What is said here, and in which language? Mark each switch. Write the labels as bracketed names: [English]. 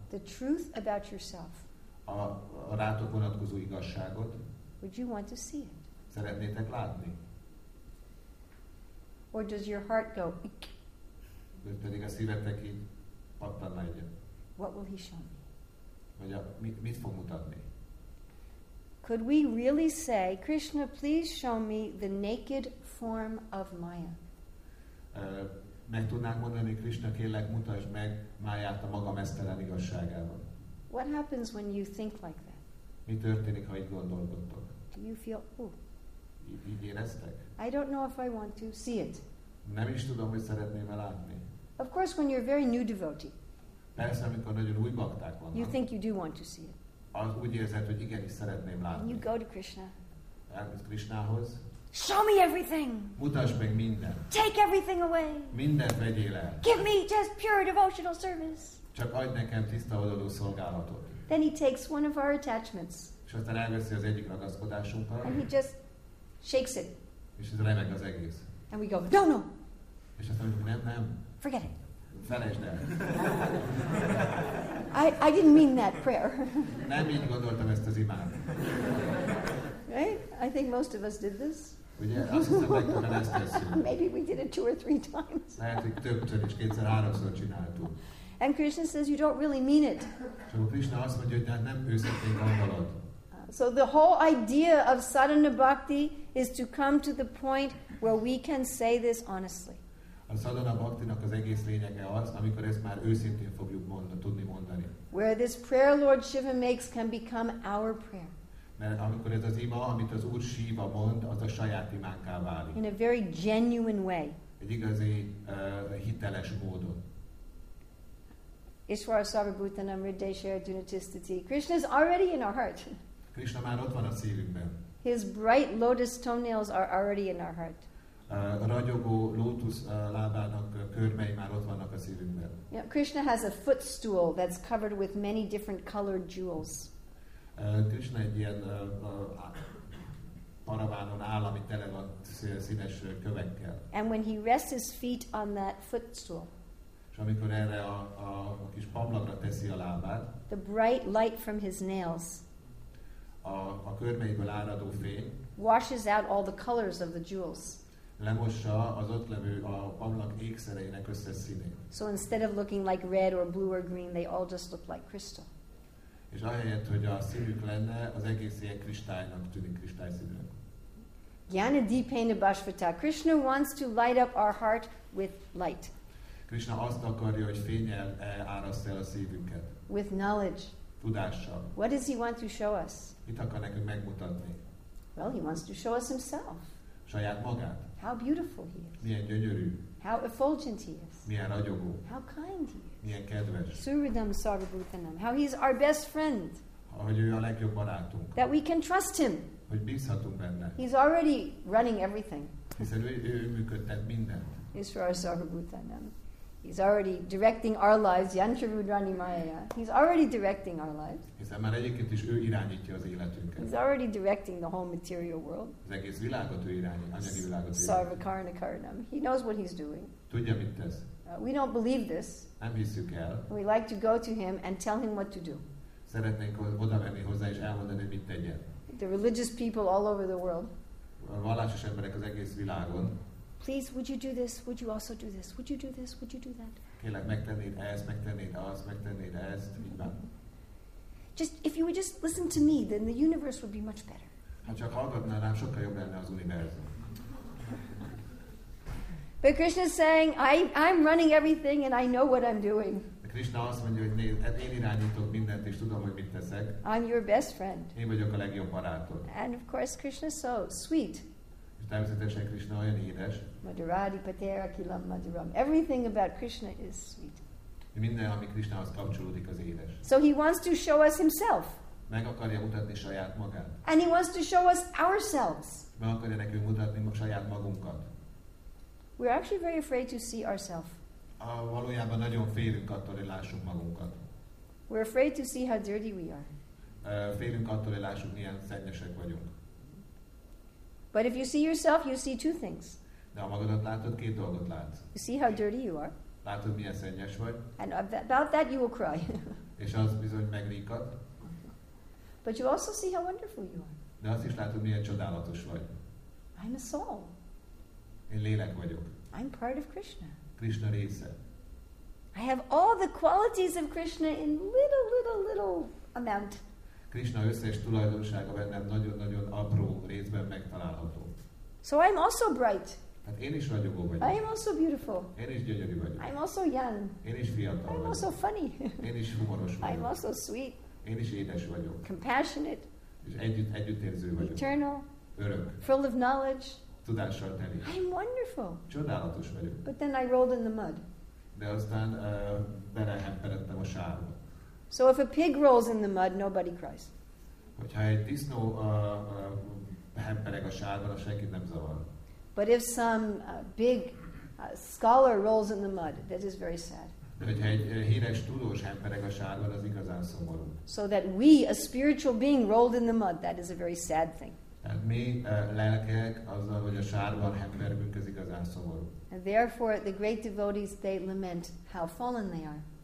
[English] the truth about yourself, [Hungarian] a rátok vonatkozó igazságot, [English] would you want to see it? [Hungarian] Szeretnétek látni? [English] Or does your heart go? [Hungarian] Pedig a szívetek így pattanna egyet. [English] What will he show me? [Hungarian] Vagy mit fog mutatni? [English] Could we really say, Krishna, please show me the naked form of Maya? [Hungarian] Meg tudnánk mondani, Krishna, kérlek, mutasd meg Máját a maga mesztelen igazságában. [English] What happens when you think like that? [Hungarian] Mi történik, ha így gondolkodtok? [English] Do you feel, [Hungarian] így éreztek? [English] I don't know if I want to see it. [Hungarian] Nem is tudom, hogy szeretném-e látni. [English] Of course, when you're a very new devotee. [Hungarian] Persze, amikor nagyon új bakták vannak. [English] You think you do want to see it. [Hungarian] Az úgy érzed, hogy igenis szeretném látni. [English] And you go to Krishna. [Hungarian] Elmész Krishnához. [English] Show me everything. [Hungarian] Mutasd meg mindent. [English] Take everything away. [Hungarian] Mindent vegyél el. [English] Give me just pure devotional service. [Hungarian] Csak adj nekem tiszta odaadó szolgálatot. [English] Then he takes one of our attachments. [Hungarian] És aztán elveszi az egyik ragaszkodásunkat. [English] And he just shakes it. [Hungarian] És ez remeg az egész. [English] And we go, no, no. [Hungarian] És aztán mondjuk, nem. [English] Forget it. [Hungarian] Felejtsd el. [English] I didn't mean that prayer. [Hungarian] Nem így gondoltam ezt az imád. [English] Right? I think most of us did this. [Hungarian] Ugye, azt hiszem, legtöbben ezt teszünk. [English] Maybe we did it two or three times. [Hungarian] Lehet, hogy többször is, kétszer-háromszor csináltuk. [English] And Krishna says, you don't really mean it. [Hungarian] És akkor Krishna azt mondja, hogy nem őszintén gondolod. [English] So the whole idea of sadhana bhakti is to come to the point where we can say this honestly. [Hungarian] A sadhana bhaktinak az egész lényege az, amikor ezt már őszintén fogjuk tudni mondani. [English] Where this prayer Lord Shiva makes can become our prayer. [Hungarian] Mert amikor ez az ima, amit az Úr Shiva mond, az a saját imánkká válik. [English] In a very genuine way. [Hungarian] Egy igazi hiteles módon. [Sanskrit] Ishvara Sarvabhuta Namriddesha Arjunatisthiti. [English] Krishna is already in our heart. [Hungarian] Krishna már ott van a szívünkben. [English] His bright lotus toenails are already in our heart. [Hungarian] Ragyogó lótusz lábának körmei már ott vannak a szívünkben. [English] Yeah, Krishna has a footstool that's covered with many different colored jewels. [Hungarian] Krishna egy ilyen paravánon áll, ami tele van színes kövekkel. [English] And when he rests his feet on that footstool, [Hungarian] és amikor erre a kis pamlagra teszi a lábát, [English] the bright light from his nails, [Hungarian] a körmeiből áradó fény, [English] washes out all the colors of the jewels. [Hungarian] Lemossa az ott levő a pamlag ékszereinek összes színét. [English] So instead of looking like red or blue or green, they all just look like crystal. [Hungarian] És ahelyett, hogy a színük lenne, az egész ilyen kristálynak tűnik, kristályszínűnek. [Sanskrit] Gyana dipena bashvata. [English] Krishna wants to light up our heart with light. [Hungarian] Krishna azt akarja, hogy fényel áraszt el a szívünket. [English] With knowledge. [Hungarian] Tudással. [English] What does he want to show us? [Hungarian] Mit akar nekünk megmutatni? [English] Well, he wants to show us himself. [Hungarian] Saját magát. [English] How beautiful he is. [Hungarian] Milyen gyönyörű. [English] How effulgent he is. [Hungarian] Milyen ragyogó. [English] How kind he is. [Hungarian] Milyen kedves. [Sanskrit] Suridam Sarvabhutanam. [English] How he is our best friend. [Hungarian] Hogy ő a legjobb barátunk. [English] That we can trust him. [Hungarian] hogy bízhatunk benne. [English] He's already running everything. [Hungarian] Hiszen ő működtet mindent. [English] He's for our Sarvabhutanam. He's already directing our lives, [Sanskrit] Yantrarudrani Maya. [English] He's already directing our lives. [Hungarian] Hiszen már egyébként is ő irányítja az életünket. [English] He's already directing the whole material world. [Hungarian] Az egész világot ő irányít, anyagi világot ő. [Sanskrit] Sarvakaranakaranam. [English] He knows what he's doing. [Hungarian] Tudja, mit tesz. [English] We don't believe this. [Hungarian] Nem hiszük el. [English] We like to go to him and tell him what to do. [Hungarian] Szeretnénk oda menni hozzá és elmondani, mit tegyen. [English] The religious people all over the world. [Hungarian] A vallásos emberek az egész világon. [English] Please, would you do this? Would you also do this? Would you do this? Would you do that? [Hungarian] Kérlek, megtennéd ezt, megtennéd azt, megtennéd ezt, így van. [English] Just, if you would just listen to me, then the universe would be much better. [Hungarian] Ha csak hallgatnál rám, sokkal jobb lenne az univerzum. [English] But Krishna is saying, I'm running everything and I know what I'm doing. [Hungarian] Krishna azt mondja, hogy én irányítok mindent és tudom, hogy mit teszek. [English] I'm your best friend. [Hungarian] Én vagyok a legjobb barátod. [English] And of course, Krishna is so sweet. [Hungarian] Természetesen Krishna olyan édes. [Sanskrit] Madhuradi patera kilam madhuram. [English] Everything about Krishna is sweet. [Hungarian] Minden, ami Krishnahoz kapcsolódik, az édes. [English] So he wants to show us himself. [Hungarian] Meg akarja mutatni saját magát. [English] And he wants to show us ourselves. [Hungarian] Meg akarja nekünk mutatni saját magunkat. [English] We're actually very afraid to see ourselves. [Hungarian] Valójában nagyon félünk attól, hogy lássuk magunkat. [English] We're afraid to see how dirty we are. [Hungarian] Félünk attól, hogy lássuk, milyen szennyesek vagyunk. [English] But if you see yourself, you see two things. [Hungarian] De ha magadat látod, két dolgot látsz. [English] You see how dirty you are. [Hungarian] Látod, milyen szennyes vagy. [English] And about that you will cry. [Hungarian] És az bizony megríkad. [English] But you also see how wonderful you are. [Hungarian] De azt is látod, milyen csodálatos vagy. [English] I'm a soul. [Hungarian] Én lélek vagyok. [English] I'm part of Krishna. [Hungarian] Krishna része. [English] I have all the qualities of Krishna in little amount. [Hungarian] Krishna összes tulajdonsága bennem nagyon-nagyon apró részben megtalálható. [English] So I'm also bright. [Hungarian] Hát én is ragyogó vagyok. [English] I am also beautiful. [Hungarian] Én is gyönyörű vagyok. [English] I'm also young. [Hungarian] Én is fiatal [English] I'm [Hungarian] vagyok. [English] Also funny. [Hungarian] Én is humoros vagyok. [English] I'm also sweet. [Hungarian] Én is édes vagyok. [English] Compassionate. [Hungarian] És együttérző vagyok. [English] Eternal. [Hungarian] Örök. [English] Full of knowledge. [Hungarian] Tudással teli. [English] I'm wonderful. [Hungarian] Csodálatos vagyok. [English] But then I rolled in the mud. [Hungarian] De aztán belehemperedtem a sárba. [English] So if a pig rolls in the mud, nobody cries. [Hungarian] Hogyha egy disznó hempereg a sárban, senkit nem zavar. [English] But if some big scholar rolls in the mud, that is very sad. [Hungarian] De hogyha egy híres tudós hempereg a sárban, az igazán szomorú. [English] So that we, a spiritual being, rolled in the mud, that is a very sad thing. [Hungarian] Tehát mi lelkek azzal, hogy a sárban hempergünk, az igazán szomorú. [English] And therefore, the great devotees, they lament how fallen they are.